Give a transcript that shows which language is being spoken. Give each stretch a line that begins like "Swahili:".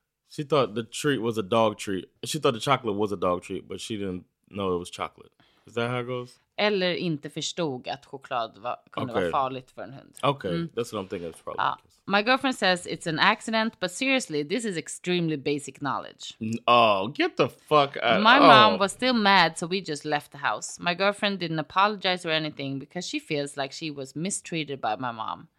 English: She thought the treat was a dog treat. She thought the chocolate was a dog treat, but she didn't know it was chocolate. Is that how it goes?
Swedish: Eller inte förstod att choklad kunde vara farligt för en hund.
English: Okay, that's what I'm thinking is probably. My girlfriend says it's an accident, but seriously, this is extremely basic knowledge. Oh, get the fuck out. My mom was still mad, so we just left the house. My girlfriend didn't apologize or anything because she feels like she was mistreated by my mom.